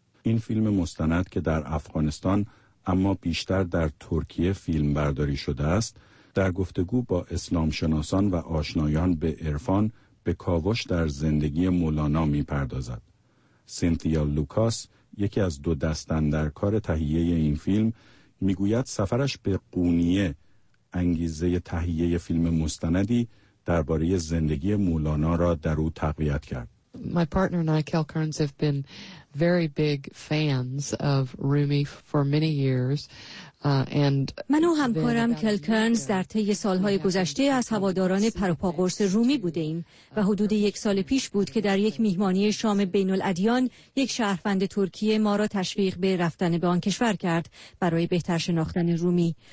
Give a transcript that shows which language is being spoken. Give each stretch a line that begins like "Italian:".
Persian: این فیلم مستند که در افغانستان اما بیشتر در ترکیه فیلم برداری شده است، در گفتگو با اسلام شناسان و آشنایان به عرفان به کاوش در زندگی مولانا می پردازد. سینتیا لوکاس، یکی از دو دستندرکار تهیه این فیلم، می گوید سفرش به قونیه انگیزه تهیه فیلم مستندی درباره زندگی مولانا را در او تقویت کرد.
English: My partner and I, Kel Kearns, have been very big fans of Rumi for many years.
Persian: من و همکارم کل کرنز در طی سالهای گذشته از هواداران پروپا قرص رومی بوده ایم و حدود یک سال پیش بود که در یک میهمانی شام بین الادیان یک شهروند ترکیه ما را تشویق به رفتن به آن کشور کرد برای بهتر شناختن رومی.